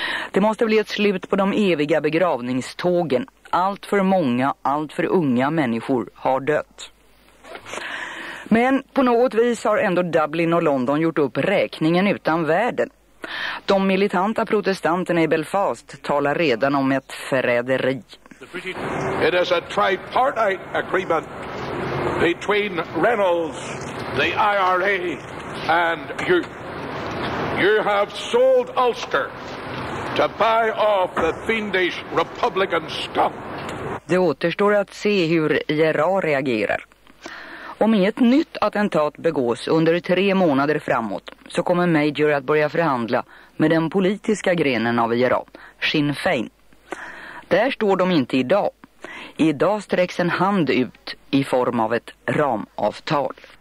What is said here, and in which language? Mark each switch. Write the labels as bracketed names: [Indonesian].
[Swedish] Det måste bli ett slut på de eviga begravningstågen. Allt för många, allt för unga människor har dött. Men på något vis har ändå Dublin och London gjort upp räkningen utan världen. De militanta protestanterna i Belfast talar redan om ett förräderi. [English] It is a tripartite agreement between Reynolds, the IRA and you. You have sold Ulster to buy off the fiendish Republican scum. [Swedish] Det återstår att se hur IRA reagerar. Om ett nytt attentat begås under 3 månader framåt så kommer Major att börja förhandla med den politiska grenen av IRA, Sinn Féin. Där står de inte idag. Idag sträcks en hand ut i form av ett ramavtal.